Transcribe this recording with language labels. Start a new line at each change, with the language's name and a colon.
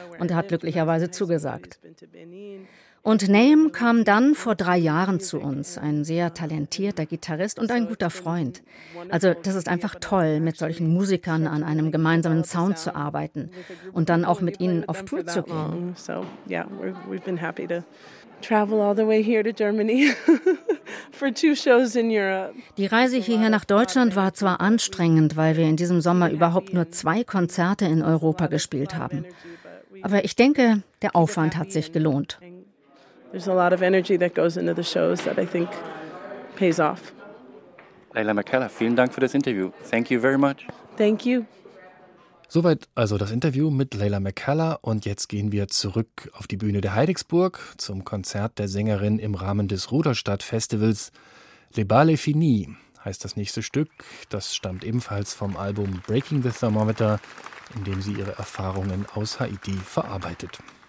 German: Und er hat glücklicherweise zugesagt. Und Naim kam dann vor 3 Jahren zu uns, ein sehr talentierter Gitarrist und ein guter Freund. Also das ist einfach toll, mit solchen Musikern an einem gemeinsamen Sound zu arbeiten und dann auch mit ihnen auf Tour zu gehen.
English: So, yeah, we've been happy to travel all the way here to Germany. For 2 shows in Europe.
German: Die Reise hierher nach Deutschland war zwar anstrengend, weil wir in diesem Sommer überhaupt nur 2 Konzerte in Europa gespielt haben. Aber ich denke, der Aufwand hat sich gelohnt.
English: There's a lot of energy that goes into the shows that I think pays off.
German: Leila McKellar, vielen Dank für das Interview.
English: Thank you very much. Thank you.
German: Soweit also das Interview mit Leila McKellar und jetzt gehen wir zurück auf die Bühne der Heidigsburg zum Konzert der Sängerin im Rahmen des Ruderstadt-Festivals. Le Bal est fini heißt das nächste Stück. Das stammt ebenfalls vom Album Breaking the Thermometer, in dem sie ihre Erfahrungen aus Haiti verarbeitet.